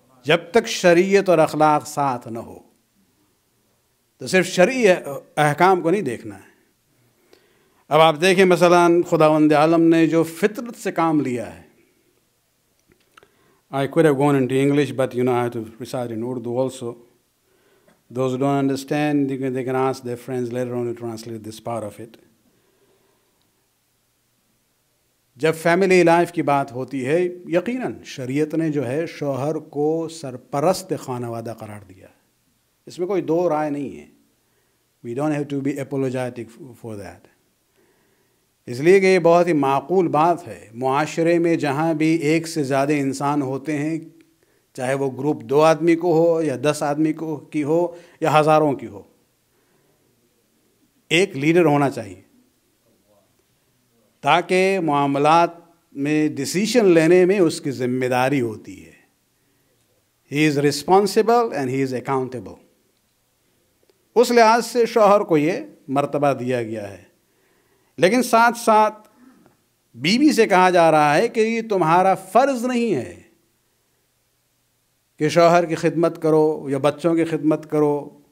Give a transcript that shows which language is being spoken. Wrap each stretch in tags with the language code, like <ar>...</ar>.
<ur>جب تک شریعت اور اخلاق ساتھ نہ ہو تو صرف شرعی احکام کو نہیں دیکھنا ہے اب آپ دیکھیں مثلا خداوند عالم نے جو فطرت سے کام لیا ہے</ur> <en>I could have gone into English, but you know, I have to recite in Urdu also. Those who don't understand, they can ask their friends later on to translate this part of it.</en> <ur>جب family life کی بات ہوتی ہے, یقیناً شریعت نے جو ہے شوہر کو سرپرست خانوادہ قرار دیا. اس میں کوئی دو رائے نہیں ہے.</ur> <en>We don't have to be apologetic for that.</en> <ur>اس لیے کہ یہ بہت ہی معقول بات ہے معاشرے میں جہاں بھی ایک سے زیادہ انسان ہوتے ہیں چاہے وہ گروپ دو آدمی کو ہو یا دس آدمی کو کی ہو یا ہزاروں کی ہو ایک لیڈر ہونا چاہیے تاکہ معاملات میں ڈیسیشن لینے میں اس کی ذمہ داری ہوتی ہے</ur> <en>he is responsible and he is accountable</en> <ur>اس لحاظ سے شوہر کو یہ مرتبہ دیا گیا ہے لیکن ساتھ ساتھ بیوی سے کہا جا رہا ہے کہ یہ تمہارا فرض نہیں ہے کہ شوہر کی خدمت کرو یا بچوں کی خدمت کرو</ur>